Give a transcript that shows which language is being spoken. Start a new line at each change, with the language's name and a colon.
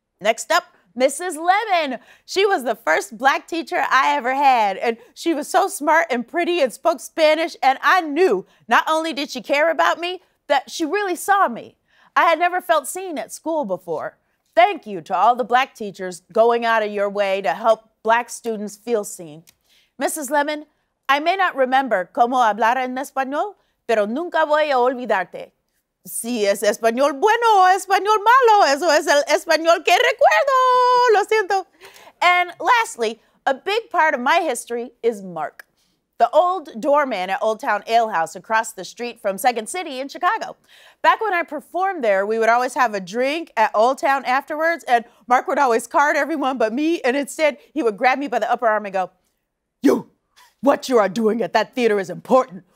English: Next up, Mrs. Lemon. She was the first black teacher I ever had, and she was so smart and pretty and spoke Spanish, and I knew not only did she care about me, that she really saw me. I had never felt seen at school before. Thank you to all the black teachers going out of your way to help black students feel seen. Mrs.
Spanish: Lemon,
English: I may not remember
Spanish: cómo hablar en español, pero nunca voy a olvidarte. Si es español bueno o español malo, eso es el español que recuerdo. Lo siento.
English: And lastly, a big part of my history is Mark, the old doorman at Old Town Ale House across the street from 2nd City in Chicago. Back when I performed there, we would always have a drink at Old Town afterwards, and Mark would always card everyone but me, and instead, he would grab me by the upper arm and go, you, what you are doing at that theater is important.